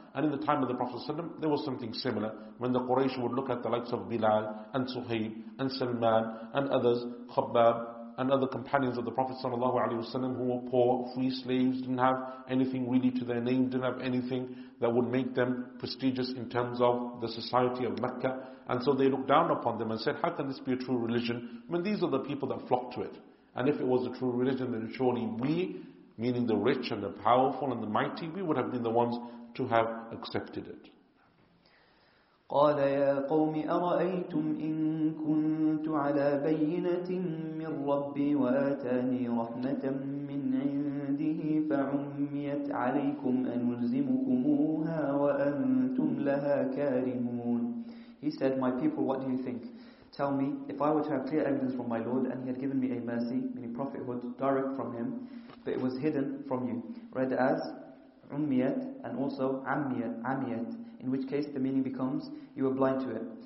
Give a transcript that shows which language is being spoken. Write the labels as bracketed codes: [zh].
[en] And in the time of the Prophet sallam, there was something similar when the Quraysh would look at the likes of Bilal and Suhaib and Salman and others, Khabbab and other companions of the Prophet sallallahu alayhi wasallam, who were poor, free slaves, didn't have anything really to their name, didn't have anything that would make them prestigious in terms of the society of Mecca. And so they looked down upon them and said, how can this be a true religion? I mean, these are the people that flocked to it. And if it was a true religion, then surely we, meaning the rich and the powerful and the mighty, we would have been the ones to have accepted it. [ar] قال يا قوم أرأيتم إن كنت على بينة من ربي وآتاني رحمة من عنده فعميت عليكم أنلزمكموها وأنتم لها كارمون. [en] He said, my people, what do you think? Tell me, if I were to have clear evidence from my Lord and he had given me a mercy, meaning prophethood, direct from him, but it was hidden from you, read as [ar] عميت [en] and also عميت, in which case the meaning becomes, you were blind to it.